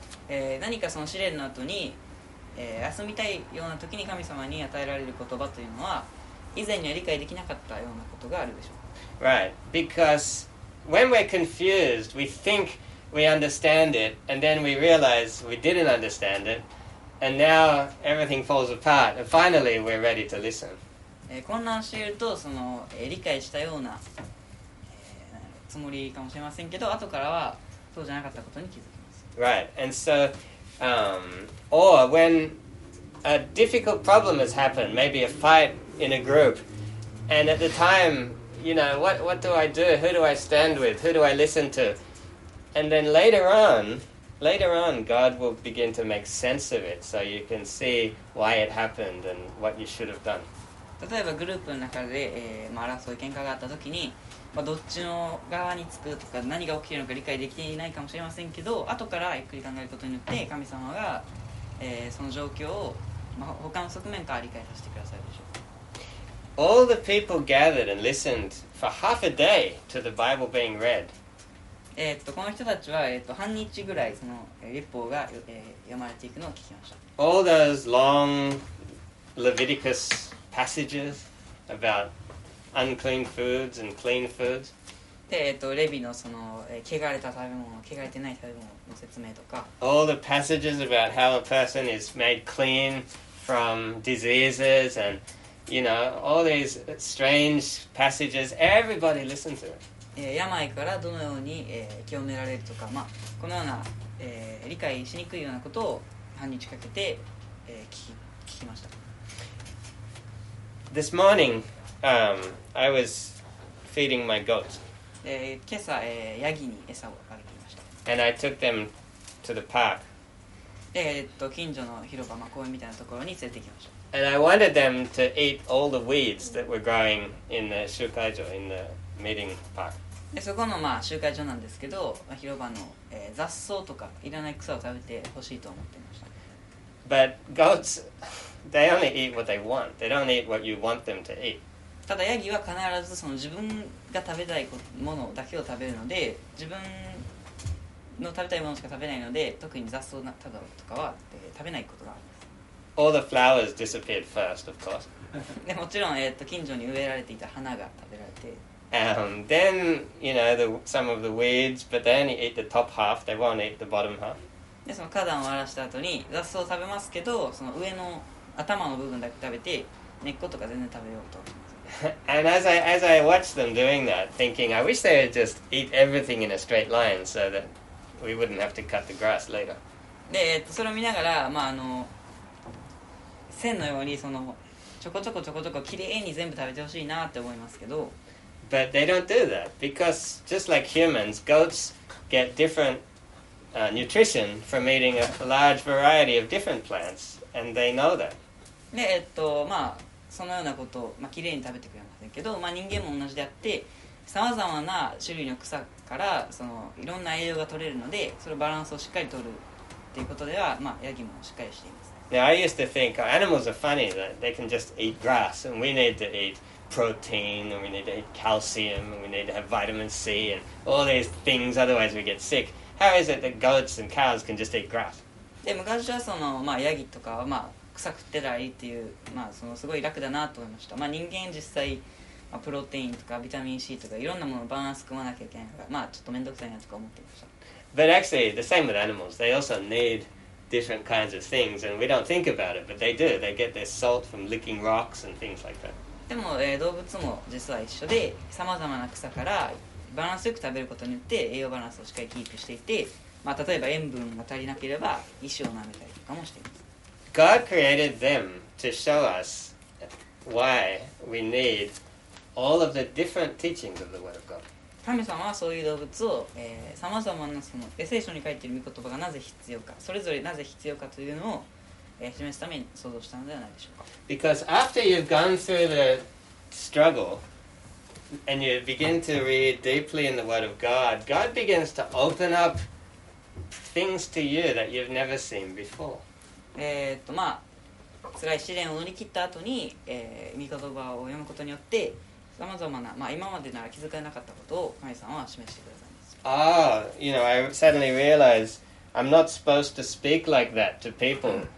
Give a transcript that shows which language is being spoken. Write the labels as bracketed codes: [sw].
[ja] 何かその試練の後に、休みたいような時に神様に与えられる言葉というのは、以前には理解できなかったようなことがあるでしょう。 [en] Right, because when we're confused, we think we understand it, and then we realize we didn't understand it. And now everything falls apart, and finally we're ready to listen. [ja] 混乱していると、その、理解したような、つもりかもしれませんけど、後からはそうじゃなかったことに気づきます。 [en] Right, and so, or when a difficult problem has happened, maybe a fight in a group, and at the time, you know, what do I do? Who do I stand with? Who do I listen to? And then later on, God will begin to make sense of it so you can see why it happened and what you should have done. [ja] 例えばグループの中で、争い喧嘩があった時に、どっちの側につくとか何が起きているのか理解できていないかもしれませんけど、後からゆっくり考えることによって神様が、その状況を、他の側面から理解させてくださるでしょう。 [en] All the people gathered and listened for half a day to the Bible being read. [ja] この人たちは、半日ぐらいその律法が、読まれていくのを聞きました。 [en] All those long Leviticus passages about unclean foods and clean foods. [ja] で、レビのその、汚れた食べ物、汚れてない食べ物の説明とか。 [en] All the passages about how a person is made clean from diseases and, you know, all these strange passages. Everybody listened to it. [ja] 病からどのように、清められるとか、このような、理解しにくいようなことを半日かけて、聞きました。 [en] This morning, I was feeding my goats. [ja] 今朝、ヤギに餌をあげていました。 [en] And I took them to the park. [ja] 近所の広場、公園みたいなところに連れて行きました。 [en] And I wanted them to eat all the weeds that were growing in the 集会所, in the meeting park. [ja] でそこの、集会所なんですけど、広場の、雑草とかいらない草を食べてほしいと思っていました。 [en] But goats, they only eat what they want. They don't eat what you want them to eat. [ja] ただヤギは必ずその自分が食べたいものだけを食べるので、自分の食べたいものしか食べないので、特に雑草などとかは、食べないことがあります。 [en] All the flowers disappeared first, of course. [ja] でもちろん、近所に植えられていた花が食べられて、 [en] Then, you know, some of the weeds, but they only eat the top half, they won't eat the bottom half. [ja] で、その花壇を荒らした後に雑草を食べますけど、その上の頭の部分だけ食べて、根っことか全然食べようと。 [en] And as I watched them doing that, thinking, I wish they would just eat everything in a straight line so that we wouldn't have to cut the grass later. [ja] で、それを見ながら、線のように、その、ちょこちょこきれいに全部食べてほしいなって思いますけど、 [en] But they don't do that because, just like humans, goats get different nutrition from eating a large variety of different plants, and they know that. [ja] で、そのようなことを、きれいに食べてくれませんけど、人間も同じであって、さまざまな種類の草からそのいろんな栄養が取れるので、そのバランスをしっかり取るっていうことでは、ヤギもしっかりしています。 [en] Now, I used to think, oh, animals are funny, that they can just eat grass, and we need to eat protein, and we need to eat calcium, and we need to have vitamin C, and all these things, otherwise we get sick. How is it that goats and cows can just eat grass? [ja] で、昔はその、まあ、ヤギとかは、まあ、臭くてらいいっていう、まあ、そのすごい楽だなと思いました。まあ、人間実際、まあ、プロテインとかビタミン C とかいろんなものをバランス組まなきゃいけないから、まあ、ちょっとめんどくさいなとか思っていました。 [en] But actually, the same with animals. They also need different kinds of things, and we don't think about it, but they do. They get their salt from licking rocks and things like that. [ja] でも、動物も実は一緒で、さまざまな草からバランスよく食べることによって栄養バランスをしっかりキープしていて、まあ、例えば塩分が足りなければ石を舐めたりとかもしています。 [en] God created them to show us why we need all of the different teachings of the Word of God. [ja] 神様はそういう動物を、さまざまなその聖書に書いている御言葉がなぜ必要か、それぞれなぜ必要かというのを、示すために創造したのではないでしょうか。 [en] Because after you've gone through the struggle,And you begin to read deeply in the Word of God, God begins to open up things to you that you've never seen before. [ja] まあ、辛い試練を乗り切った後に、御言葉を読むことによって、さまざまな、まあ、今までなら気づかなかったことを神様は示してくださいます。 [en] Ah, you know, I suddenly realized I'm not supposed to speak like that to people.